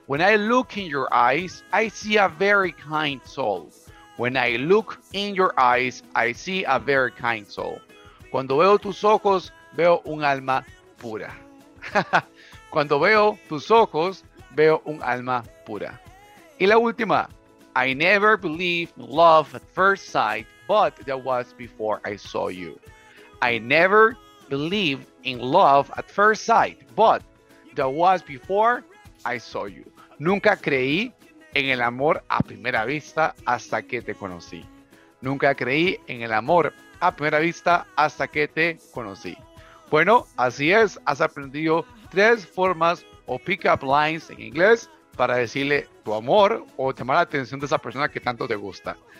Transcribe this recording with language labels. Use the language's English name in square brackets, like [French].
[English] When I look in your eyes, I see a very kind soul. When I look in your eyes, I see a very kind soul. [Spanish] Cuando veo tus ojos, veo un alma pura. Cuando veo tus ojos, veo un alma pura. Y la última. [English] I never believed in love at first sight, but that was before I saw you. I never believed in love at first sight, but that was before I saw you. [Spanish] Nunca creí en el amor a primera vista hasta que te conocí. Nunca creí en el amor a primera vista hasta que te conocí. Bueno, así es. Has aprendido tres formas o pick-up lines en inglés para decirle tu amor o llamar la atención de esa persona que tanto te gusta.